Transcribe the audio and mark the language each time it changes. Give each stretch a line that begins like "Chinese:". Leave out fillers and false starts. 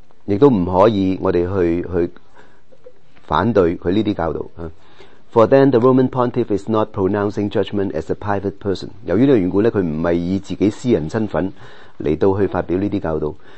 Cantonese: 亦都唔可以我哋去反对佢呢啲教导。
English: For then the Roman Pontiff is not pronouncing judgment as a private person.
Cantonese: 由于呢个缘故呢，佢唔係以自己私人身份嚟到去发表呢啲教导。